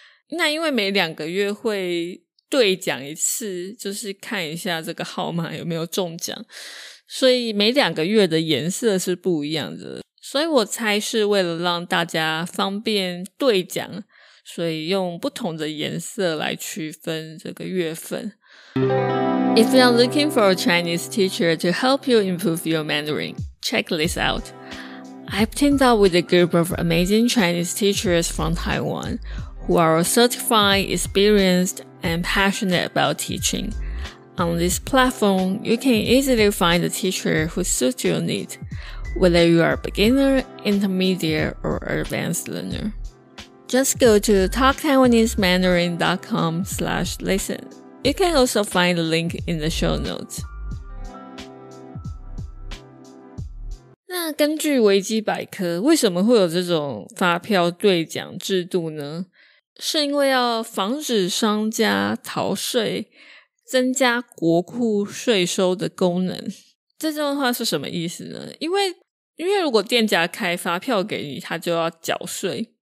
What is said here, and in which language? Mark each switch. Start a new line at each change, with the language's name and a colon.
Chinese: 那因为每两个月会兑奖一次，就是看一下这个号码有没有中奖，所以每两个月的颜色是不一样的，所以我猜是为了让大家方便兑奖，所以用不同的颜色来区分这个月份。
English: If you are looking for a Chinese teacher to help you improve your Mandarin, check this out. I've teamed up with a group of amazing Chinese teachers from Taiwan who are certified, experienced, and passionate about teaching. On this platform, you can easily find a teacher who suits your needs, whether you are a beginner, intermediate, or advanced learner. Just go to talktaiwanesemandarin.com/listen. You can also find the link in the show notes.
Chinese: 那根据维基百科，为什么会有这种发票兑奖制度呢？是因为要防止商家逃税，增加国库税收的功能。这段话是什么意思呢？因为如果店家开发票给你，他就要缴税。